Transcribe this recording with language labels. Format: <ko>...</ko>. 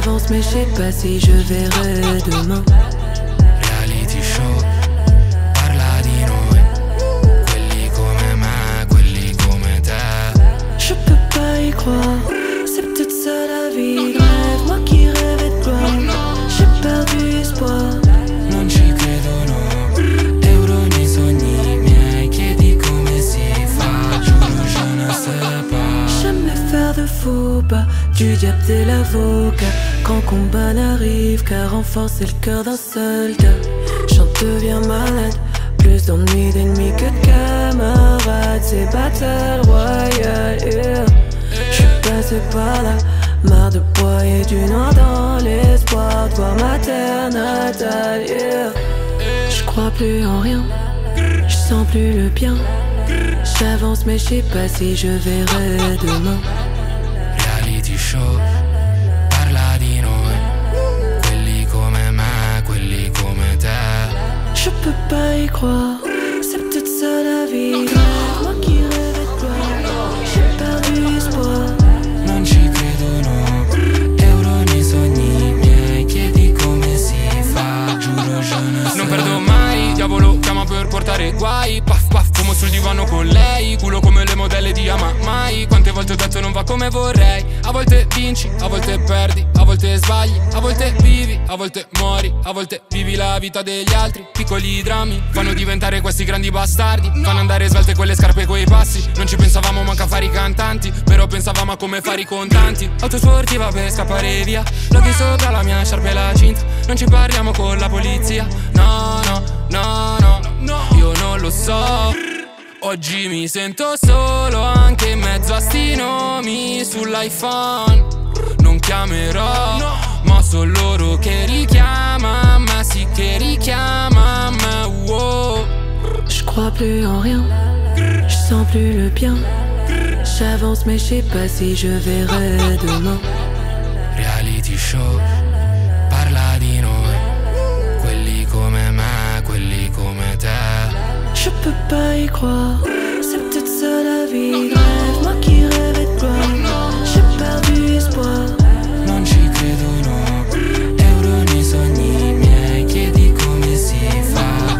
<fr>Mais je sais pas si je verrai demain.</fr> <en>Reality show,</en> <it>parla di noi. Quelli come me, quelli come te.</it> <fr>Je peux pas y croire, c'est peut-être ça la vie. Rêve, moi qui rêve de toi. J'ai perdu espoir.</fr> <it>Non ci credo, no. Euro nei sogni miei, chiedi come si fa.</it> <fr>Giuro, je ne sais pas. Jamais faire de faux pas. Du diable, t'es l'avocat. Quand combat n'arrive qu'à renforcer le cœur d'un soldat, j'en deviens malade. Plus d'ennuis d'ennemis que de camarades. C'est battle royale, j'suis passé par là. Marre de poids et du noir dans l'espoir de voir ma terre natale. J'crois plus en rien, j'sens plus le bien. J'avance mais j'sais pas si je verrai demain.</fr> <en>Reality show.</en> <fr>Je peux pas y croire, c'est peut-être ça la vie. Rêve, moi qui rêve de toi, j'ai perdu espoir.</fr> <it>Non ci credo, no. Euro nei sogni miei, chiedi come si fa.</it> <fr>Giuro je ne</fr> <it>non perdo mai, diavolo chiama per portare guai. Paf paf, fumo sul divano con lei. Culo come le modelle di Ama Mai. Quante volte ho detto non va come vorrei. A volte vinci, a volte perdi. A volte sbagli, a volte vivi. A volte muori, a volte vivi la vita degli altri. Piccoli drammi fanno diventare questi grandi bastardi. Fanno andare svelte quelle scarpe e quei passi. Non ci pensavamo manca fare i cantanti. Però pensavamo a come fare i contanti. Autosportiva per scappare via. Loghi sopra la mia sciarpa e la cinta. Non ci parliamo con la polizia. No, no, no, no, no. Io non lo so. Oggi mi sento solo anche in mezzo a sti nomi sull'iPhone. Non chiamerò, no. Ma son loro che richiama me, sì che richiama me, wow.</it> <fr>Je crois plus en rien, je sens plus le bien. J'avance mais je sais pas si je verrai demain. Reality show. Je peux pas y croire, c'est peut-être ça la vie. Rêve, moi qui rêve de toi, j'ai perdu espoir.</fr> <it>Non ci credo, no. Euro nei sogni miei, chiedi come si fa.</it>